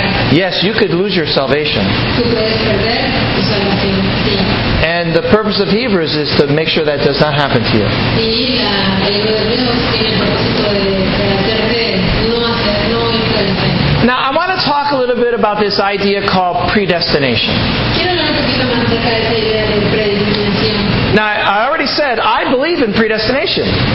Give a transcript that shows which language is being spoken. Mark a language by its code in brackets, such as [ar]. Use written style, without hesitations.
[en] Yes, you could lose your salvation. [es] Tú puedes perder tu salvación. Sí. [en] And the purpose of Hebrews is to make sure that does not happen to you. [es] Y el libro de Hebreos tiene el propósito de hacerte no hacer, no. [en] Now, I want to talk a little bit about this idea called predestination. [es] Quiero hablar un poquito más acerca de esa idea de predestinación. [en] Now, I already said, I believe in predestination.